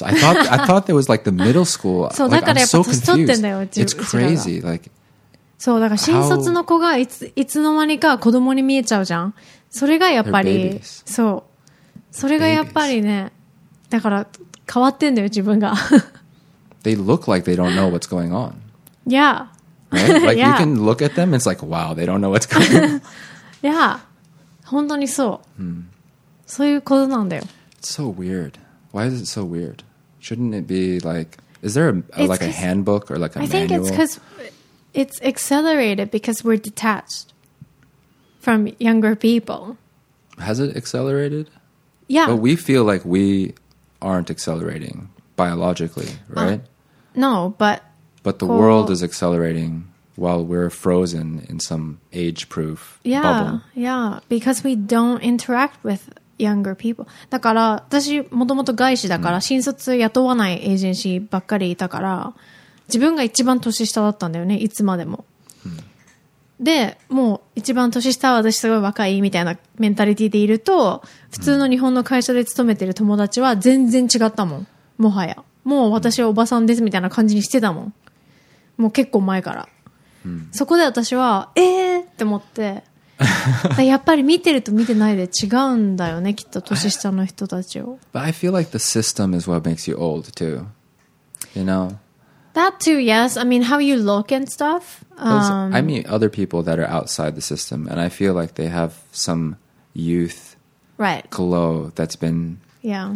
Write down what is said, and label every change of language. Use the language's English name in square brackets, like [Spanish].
[English] I thought there was like the middle school. [Japanese] そう、 [English] like, [Japanese] だからやっぱ年取ってんだよ。 [English] It's crazy. Like, [Japanese] そう、だから新卒の子がいつの間にか子供に見えちゃうじゃん。それがやっぱり、そう。それがやっぱりね、だから変わってんだよ、自分が。 [English] They look like they don't know what's going on. Yeah. Right? Like, yeah. You can look at them and it's like, wow, they don't know what's going on. [Japanese] Yeah. 本当にそう。そういうことなんだよ。 [English] It's so weird. Why is it so weird? Shouldn't it be like, is there a handbook or like a manual? I think it's because it's accelerated because we're detached from younger people. Has it accelerated? Yeah. But we feel like we aren't accelerating biologically, right? No, but... But the world is accelerating while we're frozen in some age-proof bubble. Yeah, yeah. Because we don't interact withyounger people. [Japanese] だから私もともと外資だから新卒雇わないエージェンシーばっかりいたから自分が一番年下だったんだよねいつまでも、うん、でもう一番年下は私すごい若いみたいなメンタリティでいると普通の日本の会社で勤めてる友達は全然違ったもんもはやもう私はおばさんですみたいな感じにしてたもんもう結構前から、うん、そこで私はって思ってやっぱり見てると見てないで違うんだよねきっと年下の人たちを [English] But I feel like the system is what makes you old too You know That too, yes I mean, how you look and stuff I mean, other people that are outside the system And I feel like they have some youth Right Glow that's been Yeah